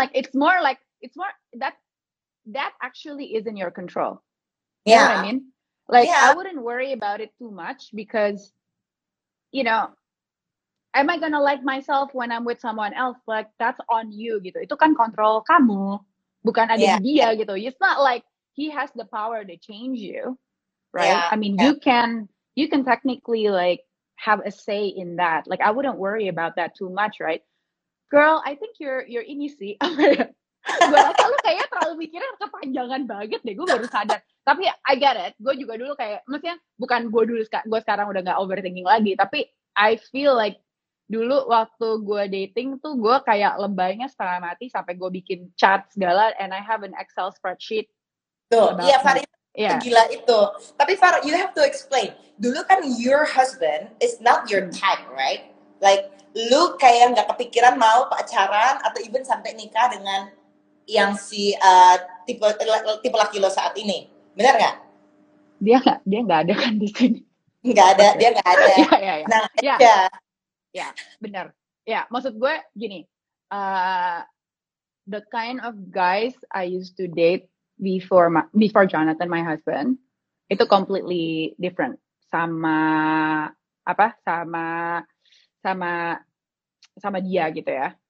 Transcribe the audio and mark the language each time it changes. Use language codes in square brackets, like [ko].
[en] Like it's more that actually is in your control. You know what I mean? Like I wouldn't worry about it too much because you know, am I gonna like myself when I'm with someone else? Like, that's on you, gitu. [id] Itu kan kontrol kamu, bukan ada dia, gitu. [en] It's not like he has the power to change you, right? Yeah. I mean, you can technically, like, have a say in that. Like, I wouldn't worry about that too much, right? Girl, I think you're [id] ini sih. Gue rasa lu kayaknya terlalu mikirin kepanjangan banget deh, gue baru sadar. Tapi, [en] I get it. [id] Gue juga dulu kayak, maksudnya, bukan gue dulu, gue sekarang udah gak overthinking lagi, tapi I feel like dulu waktu gue dating tuh gue kayak lebaynya setengah mati sampai gue bikin chart segala [en] and I have an Excel spreadsheet. [id] Tuh, iya Farina, gila itu. Tapi Far, [en] you have to explain. Dulu kan your husband is not your type, right? [id] Like, lu kayak gak kepikiran mau pacaran atau even sampai nikah dengan yang si tipe laki lo saat ini. Benar gak? Dia gak ada kan di sini. Gak ada, dia gak ada. Iya. Nah, iya. Ya, benar. Ya, maksud gue gini. [en] The kind of guys I used to date before Jonathan, my husband, [id] itu completely different sama dia gitu ya.